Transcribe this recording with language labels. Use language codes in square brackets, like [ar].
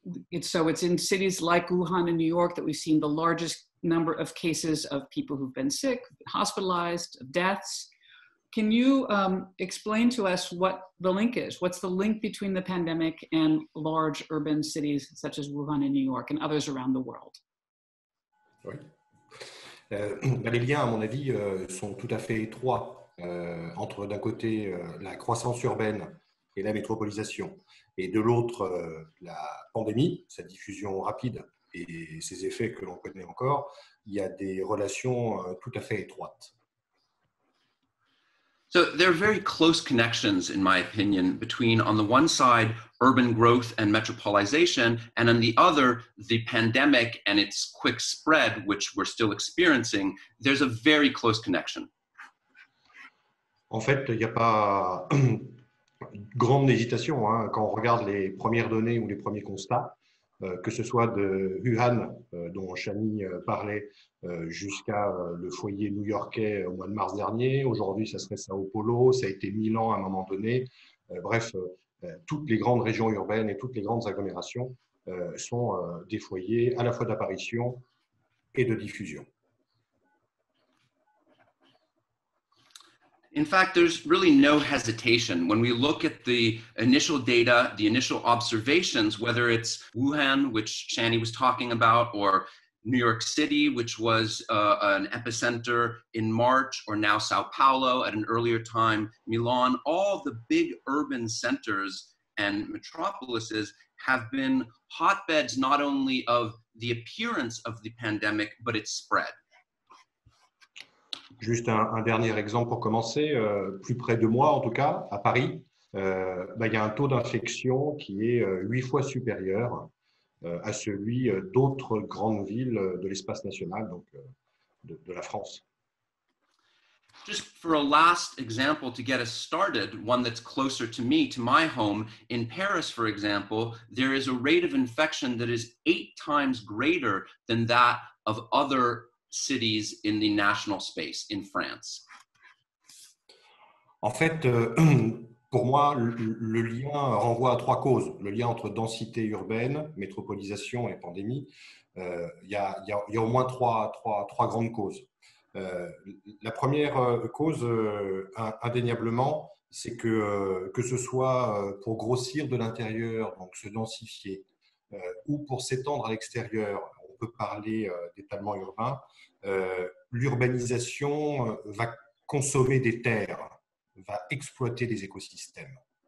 [en] It's in cities like Wuhan and New York that we've seen the largest number of cases of people who've been sick, hospitalized, deaths. Can you explain to us what the link is? What's the link between the pandemic and large urban cities such as Wuhan and New York and others around the world? [fr] Oui. Les liens, à mon avis, sont tout à fait étroits entre, d'un côté, la croissance urbaine et la métropolisation, et de l'autre, la pandémie, sa diffusion rapide et ses effets que l'on connaît encore, il y a des relations tout à fait étroites. [en] So there are very close connections, in my opinion, between, on the one side, urban growth and metropolization, and on the other, the pandemic and its quick spread, which we're still experiencing. There's a very close connection. [fr] En fait, il n'y a pas grande hésitation hein, quand on regarde les premières données ou les premiers constats, que ce soit de Wuhan, dont Shanny parlait, jusqu'à le foyer new-yorkais au mois de mars dernier. Aujourd'hui, ça serait Sao Paulo, ça a été Milan à un moment donné. Toutes les grandes régions urbaines et toutes les grandes agglomérations sont des foyers à la fois d'apparition et de diffusion. [en] In fact, there's really no hesitation. When we look at the initial data, the initial observations, whether it's Wuhan, which Shanny was talking about, or New York City, which was an epicenter in March, or now Sao Paulo at an earlier time, Milan, all the big urban centers and metropolises have been hotbeds not only of the appearance of the pandemic, but its spread. [fr] Juste un dernier exemple pour commencer, plus près de moi en tout cas, à Paris, il y a un taux d'infection qui est 8 fois supérieur à celui d'autres grandes villes de l'espace national, donc de la France. [en] Just for a last example to get us started, one that's closer to me, to my home, in Paris, for example, there is a rate of infection that is 8 times greater than that of other cities in the national space in France. [fr] En fait, pour moi, le lien renvoie à trois causes. Le lien entre densité urbaine, métropolisation et pandémie, il y a au moins trois grandes causes. La première cause, indéniablement, c'est que ce soit pour grossir de l'intérieur, donc se densifier, ou pour s'étendre à l'extérieur, on peut parler d'étalement urbain, l'urbanisation va consommer des terres, va exploiter des écosystèmes.